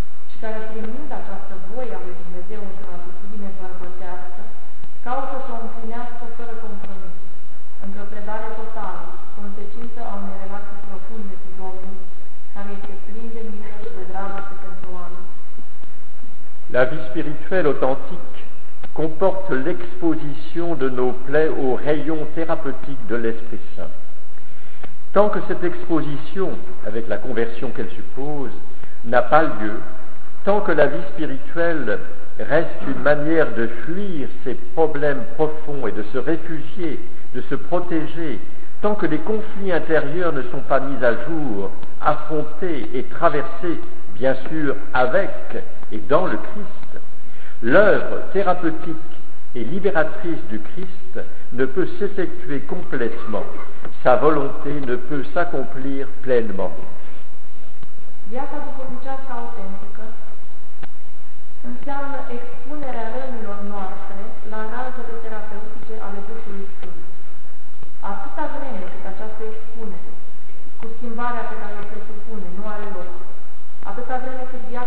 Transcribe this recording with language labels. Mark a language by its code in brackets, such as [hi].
[ro] și care, primind această voie a lui Dumnezeu într-o atitudine bărbătească, caută să o împlinească fără compromis, într-o predare totală, consecință a unei relații profunde cu Domnul, care este plin de milă și de dragoste pentru oameni. [fr] La vie spirituelle authentique comporte l'exposition de nos plaies aux rayons thérapeutiques de l'Esprit Saint. Tant que cette exposition, avec la conversion qu'elle suppose, n'a pas lieu, tant que la vie spirituelle reste une manière de fuir ses problèmes profonds et de se réfugier, de se protéger, tant que les conflits intérieurs ne sont pas mis à jour, affrontés et traversés, bien sûr avec et dans le Christ, l'œuvre thérapeutique et libératrice du Christ ne peut s'effectuer complètement, sa volonté ne peut s'accomplir pleinement. [ro] Viața duhovnicească autentică înseamnă expunerea rănilor noastre la razele terapeutice ale Duhului Sfânt. Atâta vreme cât această expunere, cu schimbarea pe care o presupune, nu are loc, atâta vreme cât